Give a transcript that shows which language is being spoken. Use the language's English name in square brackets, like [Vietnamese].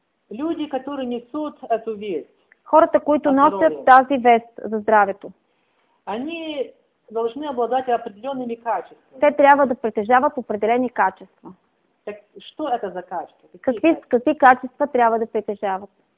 [Russian] Люди, которые несут эту весть. [Bulgarian] Хората, които носят тази вест за здравето. [Russian] Они должны обладать определенными качествами. [Bulgarian] Те трябва да притежават определени качества. [Russian] Так, что это за качества? [Bulgarian] Какви качества трябва да притежават?